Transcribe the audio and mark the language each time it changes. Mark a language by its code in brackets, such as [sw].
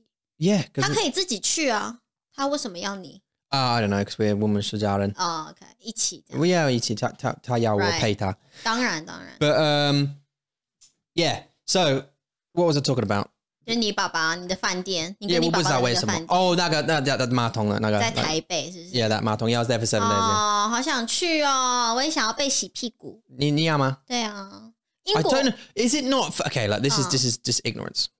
[zh] So你很生气。我很生气。你有跟他讲吗？你说我很想休息。Yeah,他可以自己去啊。他为什么要你？ [en] I don't know, because we're women's to Darian. Oh, okay. 一起。 [zh] Well, yeah, 一起，他要我陪他。当然，当然。 [en] But yeah, so what was I talking about? [zh] 就是你爸爸,你的饭店,你跟你爸爸的饭店。哦,那个马桶的,那个。在台北,是不是? [en] Yeah, that 马桶, yeah, I was there for 7 days. [zh] 哦,好想去哦,我也想要被洗屁股。你要吗? 对啊。 I [en] don't know, is it not, okay, like this is just ignorance.